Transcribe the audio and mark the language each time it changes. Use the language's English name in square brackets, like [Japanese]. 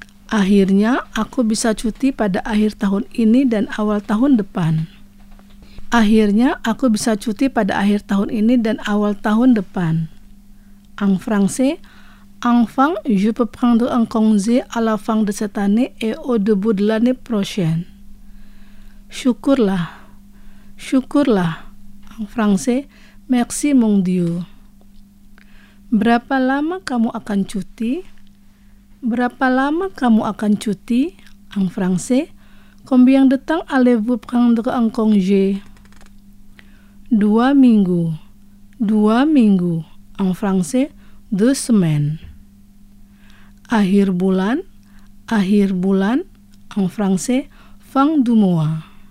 [Indonesian] Akhirnya, aku bisa cuti pada akhir tahun ini dan awal tahun depan. Akhirnya, aku bisa cuti pada akhir tahun ini dan awal tahun depan. [French] En français, enfin, je peux prendre un congé à la fin de cette année et au début de l'année prochaine. [Indonesian] Syukurlah. Syukurlah, [French] Français, merci mon Dieu. [Indonesian] Berapa lama kamu akan cuti? Berapa lama kamu akan cuti? [French] En français, combien de temps allez-vous prendre en congé? [Indonesian] Dua minggu. Dua minggu. [French] En français, deux semaines. [Indonesian] Akhir bulan. Akhir bulan. [French] En français, fin du mois.